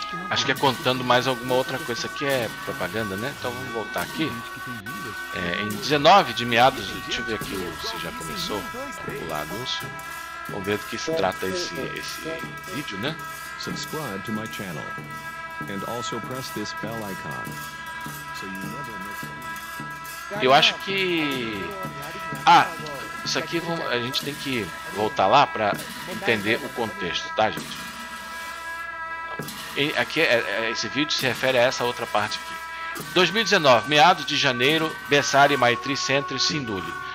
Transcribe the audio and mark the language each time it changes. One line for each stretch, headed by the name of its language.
Portuguese: Acho que é contando mais alguma outra coisa. Aqui é propaganda, né? Então vamos voltar aqui. Em 19 de meados, deixa eu ver aqui se já começou a pular anúncio. Vamos ver do que se trata esse vídeo, né?
English: Subscribe to my channel and also press this bell icon so you never miss.
Portuguese: Eu acho que isso aqui a gente tem que voltar lá para entender o contexto, tá, gente? Aqui, esse vídeo se refere a essa outra parte aqui. 2019, meados de janeiro, Besari Maitri Center, Sindhuli.